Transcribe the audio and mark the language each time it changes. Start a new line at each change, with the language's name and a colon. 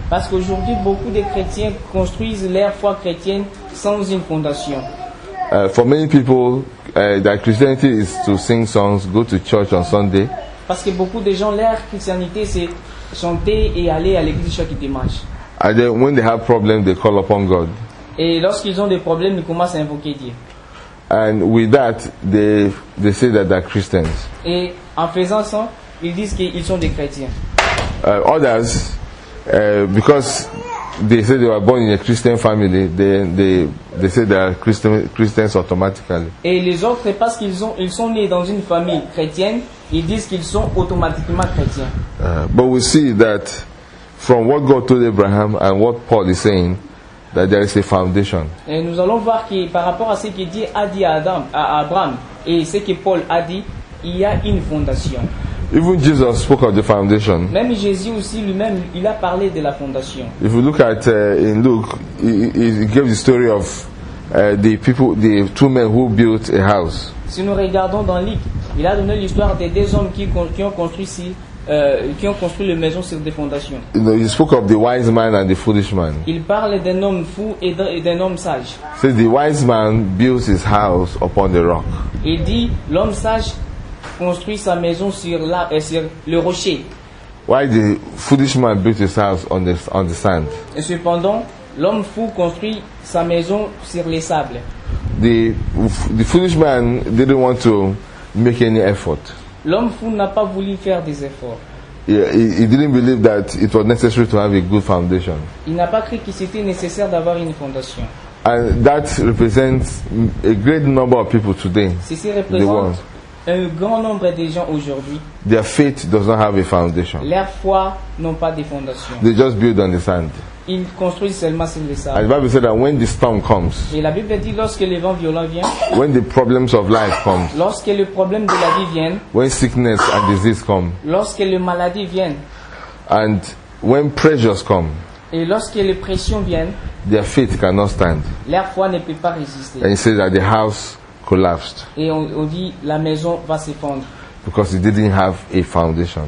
French: Parce qu'aujourd'hui, beaucoup de chrétiens construisent leur foi chrétienne sans une fondation.
English: For many people, their Christianity is to sing songs, go to church on Sunday.
French: Parce que beaucoup de gens, leur chrétienté, c'est chanter et aller à l'église chaque dimanche.
English: And then when they have problems, they call upon God.
French: Et lorsqu'ils ont des problèmes, ils commencent à invoquer Dieu.
English: And with that, they say that they're Christians.
French: Et en faisant ça, ils disent qu'ils sont des chrétiens.
English: Others, because they say they were born in a Christian family, they say they are Christians automatically.
French: Et les autres, parce qu'ils ont, ils sont nés dans une famille chrétienne, ils disent qu'ils sont automatiquement chrétiens.
English: But we see that from what God told Abraham and what Paul is saying, that there is a foundation.
French: Et nous allons voir que par rapport à ce que Dieu a dit à Abraham et ce que Paul a dit, il y a une fondation.
English: Even Jesus spoke of the foundation.
French: Même Jésus aussi lui-même, il a parlé de la fondation.
English: If you look at in Luke, he gave the story of the people, the two men who built a house.
French: Si nous regardons dans Luc, il a donné l'histoire des deux hommes qui ont construit ici. Qui ont construit les maisons sur des fondations.
English: You know, he spoke of the wise man and the foolish man.
French: Il parle d'un homme fou et d'un homme sage.
English: So the wise man builds his house upon the rock.
French: Il dit l'homme sage construit sa maison sur la sur le rocher.
English: Why the foolish man built his house on the sand?
French: Et cependant, l'homme fou construit sa maison sur les sables.
English: The foolish man didn't want to make any effort.
French: L'homme fou n'a pas voulu faire des efforts.
English: He didn't believe that it was necessary to have a good foundation.
French: Il n'a pas cru que c'était nécessaire d'avoir une fondation.
English: And that represents a great number of people today.
French: Ceci représente un grand nombre de gens aujourd'hui.
English: Their faith does not have a foundation.
French: Leur foi n'ont pas de fondation.
English: They just build on the sand.
French: Ils construisent seulement sur le sable.
English: And the Bible said that when the storm comes.
French: Et la Bible dit lorsque le vent violent vient.
English: When the problems of life come.
French: Lorsque les problèmes de la vie viennent.
English: When sickness and disease come.
French: Lorsque les maladies viennent.
English: And when pressures come.
French: Et lorsque les pressions viennent.
English: Their faith cannot stand.
French: Leur foi ne peut pas résister.
English: And he said that the house collapsed.
French: Et on dit la maison va s'effondrer.
English: Because it didn't have a foundation.